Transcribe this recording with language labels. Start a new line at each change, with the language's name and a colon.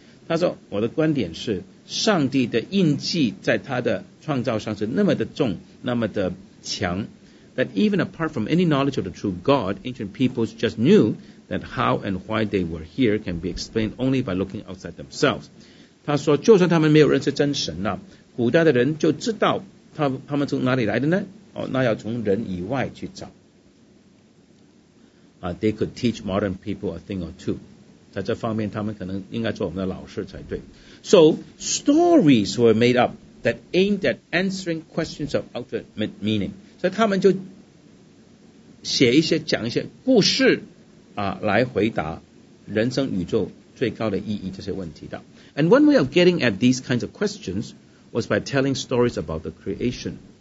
Chinese: 他说我的观点是，上帝的印记在他的创造上是那么的重，那么的强。
English: That even apart from any knowledge of the true God, ancient peoples just knew that how and why they were here can be explained only by looking outside themselves.
Chinese: 他说，就算他们没有认识真神呢，古代的人就知道他们从哪里来的呢？哦，那要从人以外去找。
English: They could teach modern people a thing or two.
Chinese: 在这方面，他们可能应该做我们的老师才对。
English: So stories were made up that aimed at answering questions of ultimate meaning.
Chinese: 所以他们就 写一些、讲一些故事啊，来回答人生宇宙最高的意义这些问题的。
English: And one way of getting at these kinds of questions was by telling stories about the creation.